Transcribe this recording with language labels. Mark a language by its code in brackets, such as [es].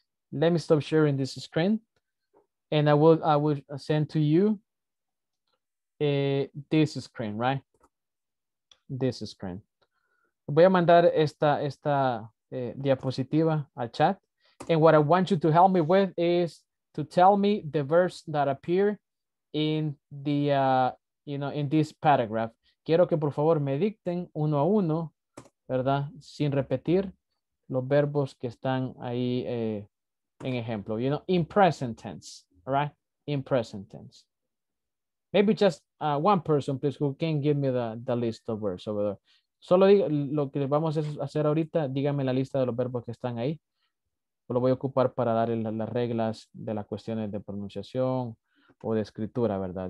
[en] Let me stop sharing this screen. And I will send to you this screen, right? This screen. [es] Voy a mandar esta diapositiva al chat. [en] And what I want you to help me with is to tell me the verbs that appear in the, you know, in this paragraph. [es] Quiero que por favor me dicten uno a uno, ¿verdad? Sin repetir los verbos que están ahí en ejemplo, [en] you know, in present tense. [es] All right, in present tense. [en] Maybe just one person, please, who can give me the list of verbs over there. [es] Solo diga, lo que vamos a hacer ahorita, dígame la lista de los verbos que están ahí. Lo voy a ocupar para dar las reglas de las cuestiones de pronunciación o de escritura, ¿verdad?